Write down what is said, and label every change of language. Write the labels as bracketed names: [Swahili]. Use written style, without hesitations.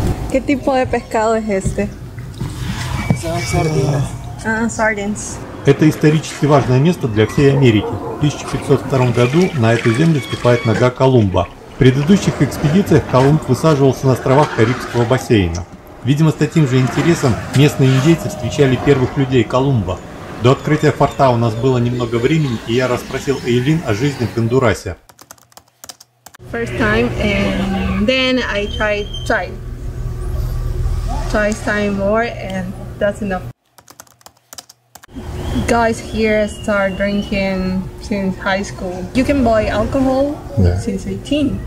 [Spanish] ¿Qué tipo de pescado es este? [English] Sardines. [Russian] Это исторически важное место для всей Америки. В 1502 году на эту землю ступает нога Колумба. В предыдущих экспедициях Колумб высаживался на островах Карибского бассейна. Видимо, с таким же интересом местные индейцы встречали первых людей Колумба. До открытия форта у нас было немного времени, и я расспросил Эйлин о жизни в Гондурасе. [English] First time, and then I tried twice time more, and that's enough. Guys here start drinking since high school. You can buy alcohol since 18.